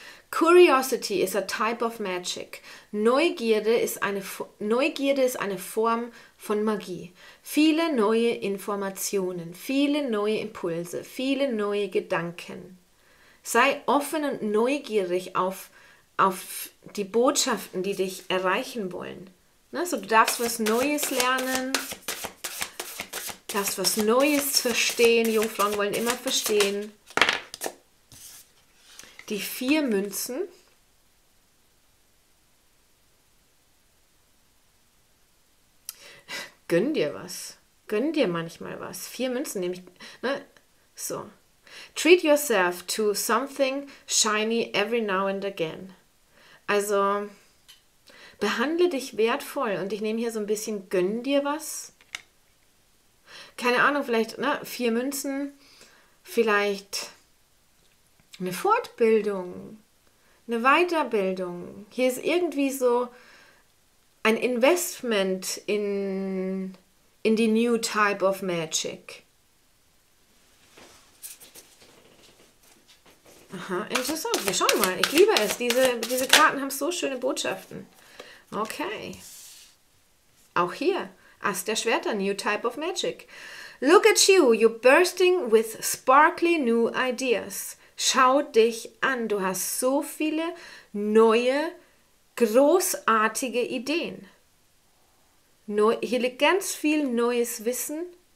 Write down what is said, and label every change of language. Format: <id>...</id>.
<en>Curiosity is a type of magic.</en> <de>Neugierde ist eine Form von Magie. Viele neue Informationen, viele neue Impulse, viele neue Gedanken. Sei offen und neugierig auf die Botschaften, die dich erreichen wollen. Also, du darfst was Neues lernen, darfst was Neues verstehen. Jungfrauen wollen immer verstehen. Die vier Münzen. Gönn dir was. Gönn dir manchmal was. Vier Münzen nehme ich. Ne? So.</de> <en>Treat yourself to something shiny every now and again.</en> <de>Also, behandle dich wertvoll. Und ich nehme hier so ein bisschen gönn dir was. Keine Ahnung, vielleicht ne? Vier Münzen. Vielleicht eine Fortbildung, eine Weiterbildung. Hier ist irgendwie so ein Investment in die New Type of Magic. Aha, interessant. Wir schauen mal. Ich liebe es. Diese Karten haben so schöne Botschaften. Okay. Auch hier. Ass der Schwerter.</de> <en>New Type of Magic. Look at you. You're bursting with sparkly new ideas.</en> <de>Schau dich an, du hast so viele neue, großartige Ideen. Hier liegt ganz viel neues Wissen.</de>